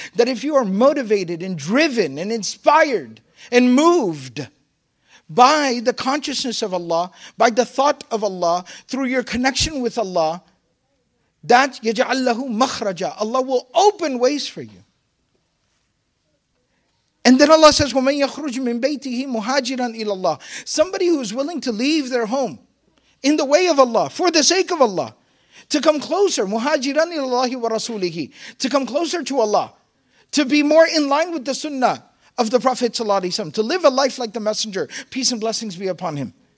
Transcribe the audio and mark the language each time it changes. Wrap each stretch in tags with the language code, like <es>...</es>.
<en>That if you are motivated and driven and inspired and moved by the consciousness of Allah, by the thought of Allah, through your connection with Allah, that</en> <ar>يَجْعَلْ لَهُ مَخْرَجًا.</ar> <en>Allah will open ways for you. And then Allah says,</en> <ar>وَمَنْ يَخْرُجْ مِنْ بَيْتِهِ مُهَاجِرًا إِلَى اللَّهِ.</ar> <en>Somebody who is willing to leave their home in the way of Allah, for the sake of Allah, to come closer,</en> <ar>مُهَاجِرًا إِلَى اللَّهِ وَرَسُولِهِ,</ar> <en>to come closer to Allah, to be more in line with the sunnah of the Prophet ﷺ, to live a life like the Messenger, peace and blessings be upon him.</en>